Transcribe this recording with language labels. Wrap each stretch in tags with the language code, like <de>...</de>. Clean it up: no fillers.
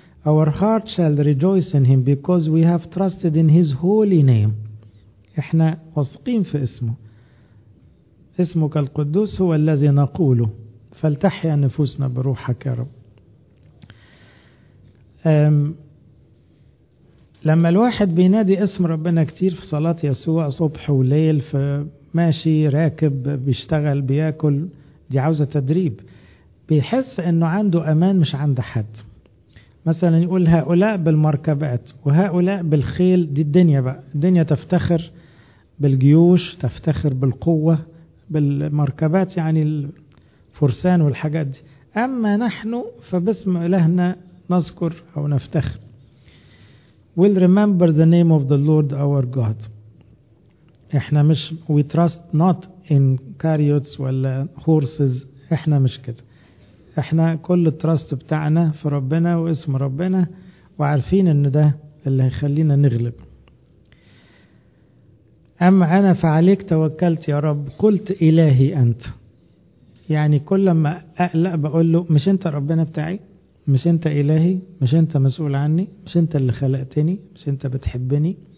<en>Our heart shall rejoice in him because we have trusted in his holy name.</en> <ar>احنا واثقين في اسمه، اسمك القدوس هو الذي نقوله، فلتحيا نفوسنا بروحك يا رب. لما الواحد بينادي اسم ربنا كتير في صلاة يسوع صبح وليل، فماشي راكب بيشتغل بياكل، دي عاوزة تدريب، بيحس انه عنده امان مش عند حد. مثلا يقول هؤلاء بالمركبات وهؤلاء بالخيل، دي الدنيا بقى، الدنيا تفتخر بالجيوش، تفتخر بالقوة، بالمركبات يعني الفرسان والحاجات دي، اما نحن فباسم الهنا نذكر او نفتخر.</ar> <en>We'll remember the name of the Lord our God.</en> <ar>احنا مش</ar> <en>we trust not in chariots</en> <ar>ولا horses، احنا مش كده، احنا كل التراست بتاعنا في ربنا واسم ربنا، وعارفين ان ده اللي هيخلينا نغلب. اما انا فعليك توكلت يا رب، قلت الهي انت، يعني كل ما اقلق بقول له مش انت ربنا بتاعي، مش انت الهي، مش انت مسؤول عني، مش انت اللي خلقتني، مش انت بتحبني.</ar>